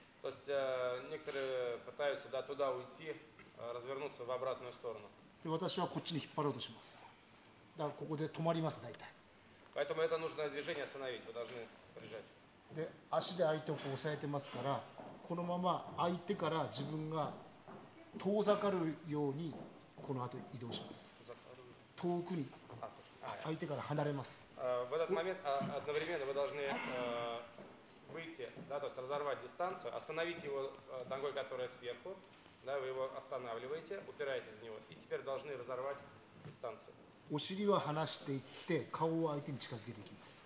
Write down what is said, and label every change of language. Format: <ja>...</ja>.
<ru>То есть некоторые пытаются да туда уйти, развернуться в обратную сторону.</ru> <ja>で私はこっちに引っ張ろうとします。だからここで止まります大体。</ja> <ru>Поэтому это нужно движение остановить, вы должны прижать.</ru> <ja>で足で相手をこう押さえてますから、このまま相手から自分が遠ざかるようにこの後移動します。遠くに相手から離れます。</ja> <ru>В этот момент одновременно вы должны выйти, да, то есть разорвать дистанцию, остановить его ногой, которая сверху, да, вы его останавливаете, упираете в него, и теперь должны разорвать дистанцию. Ушилива ханаштейте, кау айте ни чиказгетекимасу.</ru>